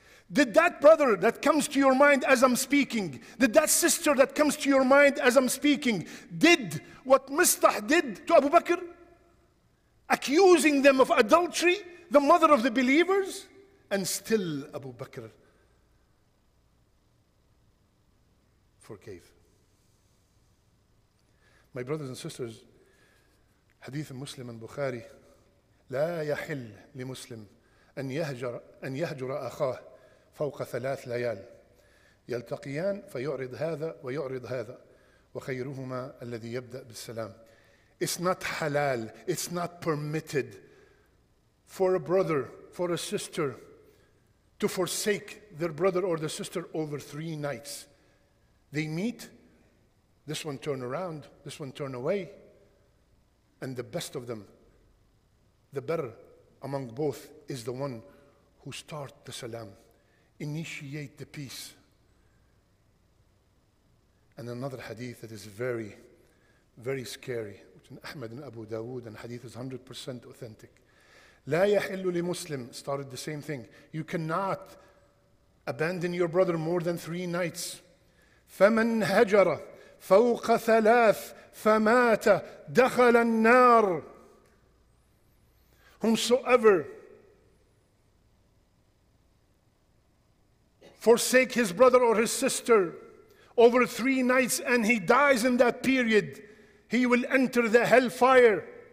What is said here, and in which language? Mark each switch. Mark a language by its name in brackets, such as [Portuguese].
[English] Did that brother that comes to your mind as I'm speaking, did that sister that comes to your mind as I'm speaking, did what Misbah did to Abu Bakr? Accusing them of adultery, the mother of the believers, and still Abu Bakr forgave. My brothers and sisters, hadith of Muslim and Bukhari, [Arabic] لا يحل لمسلم أن يهجر أخاه فوق ثلاث ليال يلتقيان فيعرض هذا ويعرض هذا وخيرهما الذي يبدأ بالسلام. [English] It's not halal, it's not permitted for a brother, for a sister to forsake their brother or the sister over 3 nights. They meet, this one turn around, this one turn away, and the best of them, the better among both, is the one who start the salam, initiate the peace. And another hadith that is very, very scary, which in Ahmad and Abu Dawood, and hadith is 100% authentic. [Arabic] لا يحل لمسلم, [English] started the same thing. You cannot abandon your brother more than 3 nights. [Arabic] فمن هجر فوق ثلاث فمات دخل النار. [English] Whomsoever forsake his brother or his sister over 3 nights and he dies in that period, he will enter the hellfire.